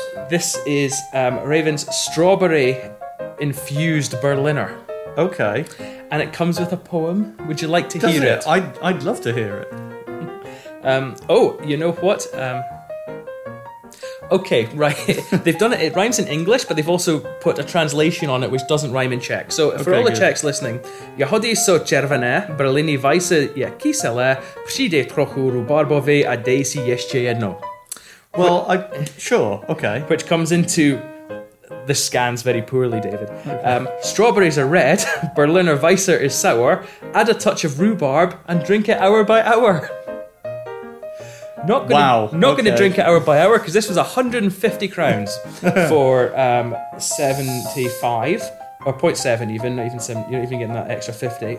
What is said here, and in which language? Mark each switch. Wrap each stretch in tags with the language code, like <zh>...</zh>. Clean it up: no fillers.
<en>this is Raven's strawberry-infused Berliner. Okay. And it comes with a poem. Would you like to hear it? I'd love to hear it. You know what? Okay, right. They've done it. It rhymes in English, but they've also put a translation on it which doesn't rhyme in Czech. So for all the Czechs listening,</en> <cs>Jahody so červené, Berliní Weisse je kyselé, přijde trochu rubarbové a dej si ještě jedno.</cs> <en>Well, sure, okay. Which comes into... This scans very poorly, David. Okay. Strawberries are red, Berliner Weisse is sour, add a touch of rhubarb and drink it hour by hour. Going to drink it hour by hour, because this was 150 crowns for 75, or 0.7 even, not even 7, you're not even getting that extra 50.</en>